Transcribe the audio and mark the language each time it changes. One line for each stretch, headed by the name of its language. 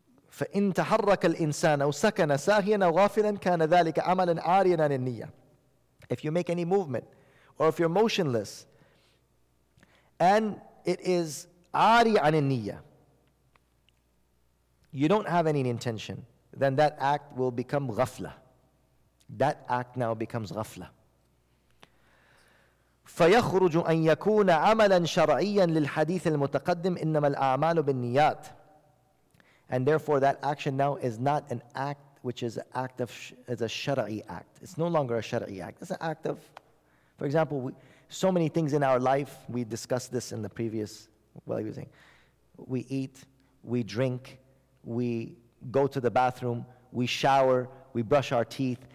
Arabic: فإن تحرك الإنسان أو سكن ساهيا أو غافلا كان ذلك عملا عاريا عن النية.
English: If you make any movement, or if you're motionless, and it is عاري عن النية, you don't have any intention, then that act will become غفلة. That act now becomes غفلة.
Arabic: فيخرج أن يكون عملا شرعيا للحديث المتقدم إنما الأعمال بالنيات.
English: And therefore that action now is not an act which is an act of, is a shar'i act. It's no longer a shar'i act. It's an act of, for example, so many things in our life, we discussed this in the previous, well, he was saying, we eat, we drink, we go to the bathroom, we shower, we brush our teeth.